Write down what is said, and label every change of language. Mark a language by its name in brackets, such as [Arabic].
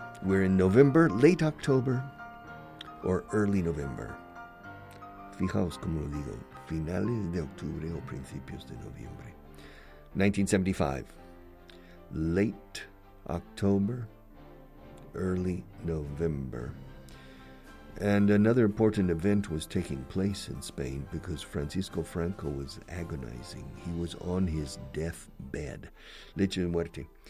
[English] We're in November, late October, or early November. [Spanish] Fijaos como lo digo. Finales de octubre o principios de noviembre. 1975. [English] Late October, early November. And another important event was taking place in Spain because Francisco Franco was agonizing. He was on his deathbed. [Spanish] Leche de muerte.